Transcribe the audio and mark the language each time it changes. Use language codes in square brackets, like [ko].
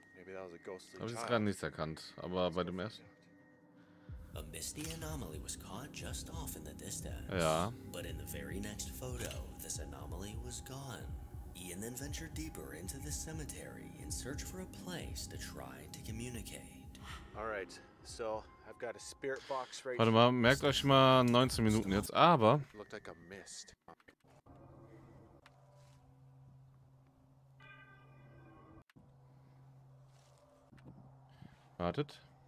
[de] Habe ich jetzt gerade nichts erkannt, aber bei dem ersten. [en] A misty anomaly was caught just off in the distance. [de] Ja. [en] But in the very next photo, this anomaly was gone. Ian then ventured deeper into the cemetery in search for a place to try to communicate. All right, so I've got a spirit box right. [de] Warte mal, merkt euch mal 19 Minuten jetzt, aber. [en] Looked like a mist. [de] Wartet.